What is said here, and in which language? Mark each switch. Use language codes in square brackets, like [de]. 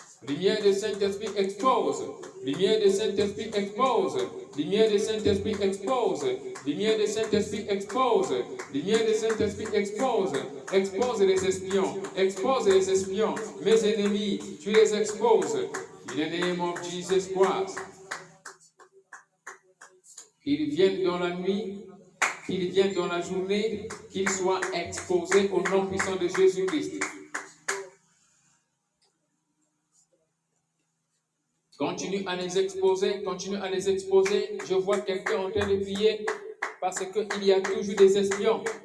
[fr] Lumière du Saint-Esprit expose. Lumière du Saint-Esprit expose. Lumière du Saint-Esprit expose. Lumière du Saint-Esprit expose. Lumière du Saint-Esprit expose. Expose les espions. Expose les espions. Mes ennemis, tu les exposes. [en] In the name of Jesus Christ. [fr] Qu'ils viennent dans la nuit, qu'ils viennent dans la journée, qu'ils soient exposés au nom puissant de Jésus-Christ. Continue à les exposer, continue à les exposer. Je vois quelqu'un en train de prier parce qu'il y a toujours des espions.